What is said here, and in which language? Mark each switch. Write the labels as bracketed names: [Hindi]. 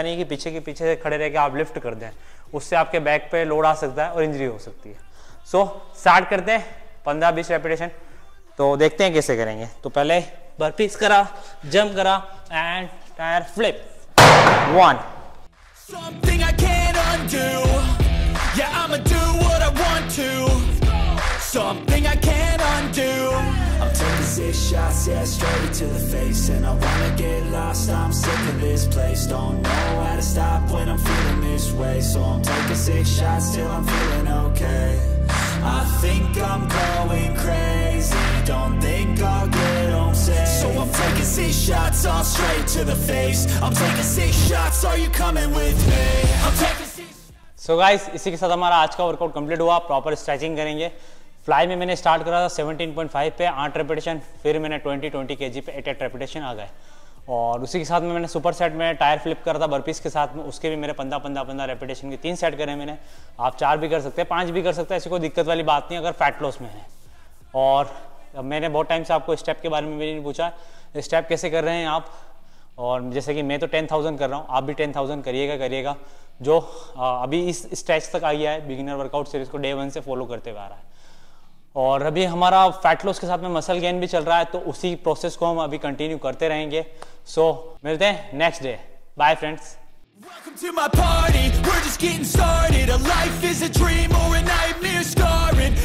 [Hindi] ऐसा नहीं कि पीछे के पीछे खड़े रह के आप लिफ्ट कर दें, उससे आपके बैक पे लोड आ सकता है और इंजरी हो सकती है। सो स्टार्ट करते हैं 15-20 रेपिटेशन, तो देखते हैं कैसे करेंगे। तो पहले बर्पीस करा, जंप करा, and tyre flip. [English] One. Something I can't undo. Yeah, I'ma do what I want to. Something I can't undo. I'm taking 6 shots, yeah, straight to the face. And I wanna get lost, I'm sick of this place. Don't know how to stop when I'm feeling this way. So I'm taking 6 shots till I'm feeling okay. I think I'm going crazy. Don't think I'll get home safe. So I'm taking 6 shots all straight to the face. I'm taking 6 shots. Are you coming with me? I'm taking 6. [Hindi] So guys, इसी के साथ हमारा आज का workout complete हुआ। Proper stretching करेंगे। Fly में मैंने स्टार्ट करा था 17.5 पे 8 रेपिटेशन, फिर मैंने 20-20 kg पे 8 रेपिटेशन आ गए, और उसी के साथ में मैंने सुपर सेट में टायर फ्लिप करा था बर्पीस के साथ में, उसके भी मेरे 15-15-15 रेपिटेशन के 3 सेट करे मैंने। आप 4 भी कर सकते हैं, 5 भी कर सकते हैं, ऐसी कोई दिक्कत वाली बात नहीं अगर फैट लॉस में है। और मैंने बहुत टाइम से आपको स्टेप के बारे में भी नहीं पूछा, स्टेप कैसे कर रहे हैं आप, और जैसे कि मैं तो 10,000 कर रहा हूँ, आप भी 10,000 करिएगा जो अभी इस स्टेज तक आ गया है बिगिनर वर्कआउट सीरीज को डे 1 से फॉलो करते हुए आ रहा है। और अभी हमारा फैट लॉस के साथ में मसल गेन भी चल रहा है, तो उसी प्रोसेस को हम अभी कंटिन्यू करते रहेंगे। सो मिलते हैं next day, bye friends. [English] Welcome to my party, we're just getting started. A life is a dream or a nightmare scarring.